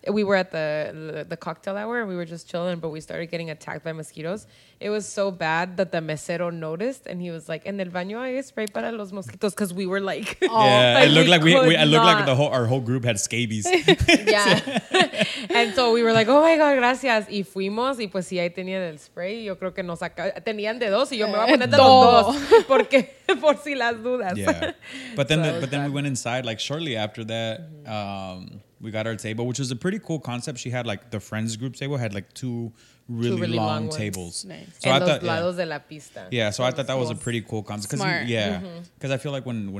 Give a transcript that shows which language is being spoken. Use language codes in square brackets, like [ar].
[en] We were at the cocktail hour and we were just chilling, but we started getting attacked by mosquitoes. It was so bad that the mesero noticed and he was like, [es] en el baño hay spray para los mosquitos, [en] because we were like, oh, yeah, it looked like our whole group had scabies. Yeah. And so we were like, oh my God, gracias. [es] Y fuimos y pues sí, ahí tenían el spray. Yo creo que nos tenían de dos y yo me voy a poner de los dos. Porque... Por si las dudas. [en] Yeah. But then we went inside, like, shortly after that. Mm-hmm. We got our table, which was a pretty cool concept. She had, like, the friends group table had, like, two really long tables. Nice. So [es] en los lados de la pista. [en] Yeah, so I thought that was a pretty cool concept. Cause smart. Yeah. Because I feel like when